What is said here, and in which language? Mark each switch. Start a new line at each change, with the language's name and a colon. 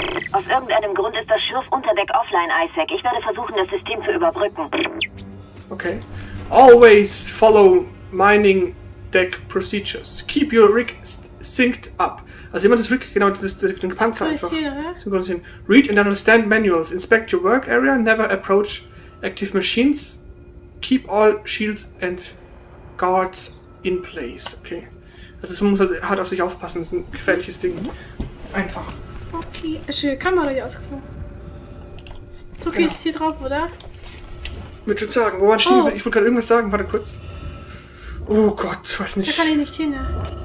German: Aus irgendeinem Grund ist das Schiff unter Deck offline, Isaac. Ich werde versuchen, das System zu überbrücken.
English: Okay. Always follow... Mining Deck Procedures. Keep your rig synced up.
German: Also jemand das Rig, genau, den Panzer einfach. Synchronisieren.
English: Read and understand manuals. Inspect your work area. Never approach active machines. Keep all shields and guards in place. Okay.
German: Also man muss halt hart auf sich aufpassen. Das ist ein gefährliches Ding. Einfach. Okay, ist die Kamera hier ausgefallen. Zuki ist hier drauf, oder? Ich würde schon sagen, wo war ich stehen? Ich wollte gerade irgendwas sagen, warte kurz. Oh Gott, weiß nicht. Da kann ich nicht hin, ne?